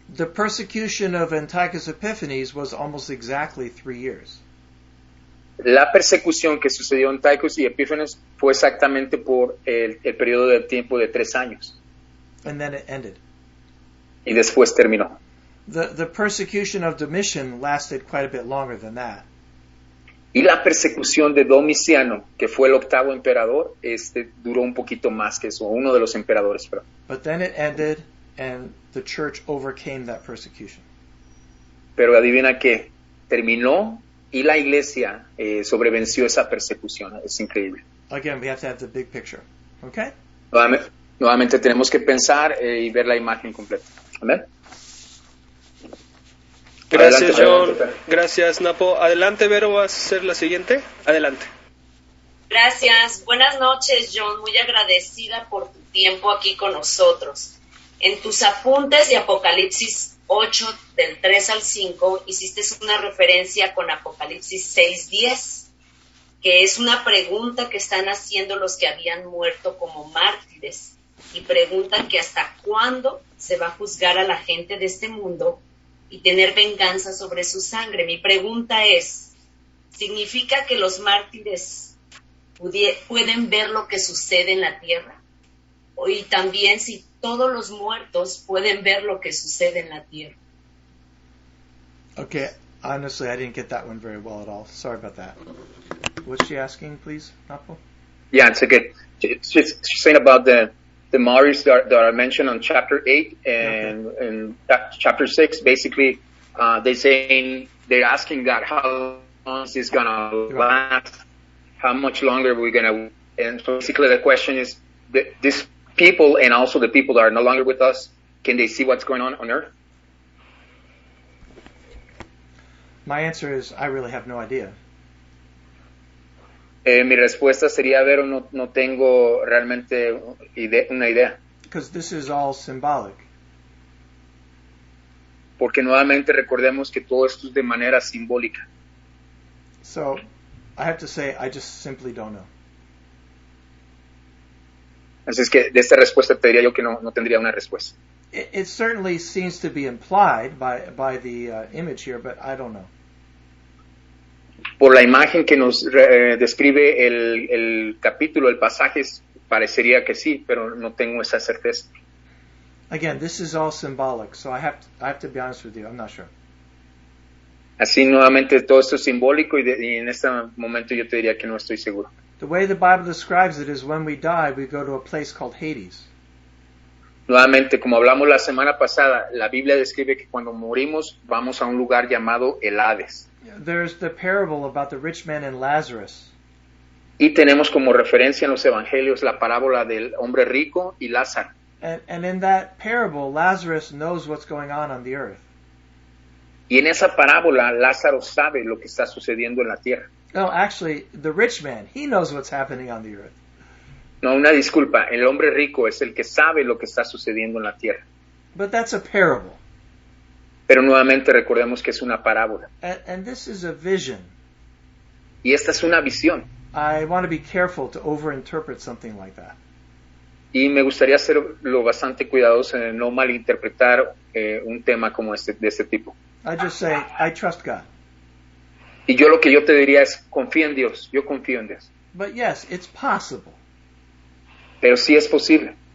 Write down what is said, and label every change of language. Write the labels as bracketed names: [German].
[English] The persecution of Antiochus Epiphanes was almost exactly 3 years. [Spanish] la persecución que sucedió en Antíoco y Epífanes fue exactamente por el periodo de tiempo de 3 años. [English] And then it ended. [Spanish] Y después terminó. [English] The persecution of Domitian lasted quite a bit longer than that. [Spanish] Y la persecución de Domiciano, que fue el octavo emperador, duró un poquito más que eso, uno de los emperadores. Pero. [English] But then it ended and the church overcame that persecution. [Spanish] Pero adivina qué, terminó y la iglesia sobrevenció esa persecución. Es increíble. [English] Again, we have to have the big picture. Okay? [Spanish] Nuevamente tenemos que pensar y ver la imagen completa. Amén. Gracias, adelante, John. Adelante. Gracias, Napo. Adelante, Vero, ¿vas a hacer la siguiente? Adelante. Gracias. Buenas noches, John. Muy agradecida por tu tiempo aquí con nosotros. En tus apuntes de Apocalipsis 8, del 3 al 5, hiciste una referencia con Apocalipsis 6, 10, que es una pregunta que están haciendo los que habían muerto como mártires y preguntan que hasta cuándo se va a juzgar a la gente de este mundo y tener venganza sobre su sangre. Mi pregunta es, ¿significa que los mártires pueden ver lo que sucede en la tierra? Y también, si todos los muertos pueden ver lo que sucede en la tierra. [English] Okay, honestly, I didn't get that one very well at all. Sorry about that. What's she asking, please, Napo? Yeah, it's okay. She's saying about the Maoris that are mentioned on chapter 8 and, okay. And chapter 6, basically, they're asking God how long is this going to last, how much longer are we going to, and basically the question is, these people and also the people that are no longer with us, can they see what's going on Earth? My answer is, I really have no idea. [Spanish] Mi respuesta sería, Vero, no tengo realmente una idea. [English] Because this is all symbolic. [Spanish] Porque nuevamente recordemos que todo esto es de manera simbólica. [English] So, I have to say, I just simply don't know. [Spanish] Así es que de esta respuesta te diría yo que no tendría una respuesta. [English] It certainly seems to be implied by the image here, but I don't know. [Spanish] Por la imagen que nos describe el capítulo, el pasaje, parecería que sí, pero no tengo esa certeza. [English] Again, this is all symbolic, so I have to be honest with you, I'm not sure. [Spanish] Así nuevamente todo esto es simbólico y en este momento yo te diría que no estoy seguro. [English] The way the Bible describes it is when we die, we go to a place called Hades. [Spanish] Nuevamente, como hablamos la semana pasada, la Biblia describe que cuando morimos vamos a un lugar llamado el Hades. [English] There's the parable about the rich man and Lazarus. [Spanish] Y tenemos como referencia en los evangelios la parábola del hombre rico y Lázaro. [English] And in that parable, Lazarus knows what's going on the earth. [Spanish] Y en esa parábola, Lázaro sabe lo que está sucediendo en la tierra. [English] No, actually, the rich man, he knows what's happening on the earth. [Spanish] No, una disculpa, el hombre rico es el que sabe lo que está sucediendo en la tierra. [English] But that's a parable. [Spanish] Pero nuevamente recordemos que es una parábola. [English] And this is a vision. [Spanish] Y esta es una visión. [English] I want to be careful to overinterpret something like that. [Spanish] Y me gustaría ser lo bastante cuidadoso en no malinterpretar un tema como este, de este tipo. [English] I just say, I trust God. [Spanish] Y yo lo que yo te diría es, confía en Dios. Yo confío en Dios. [English] But yes, it's possible. [Spanish] Pero sí es posible.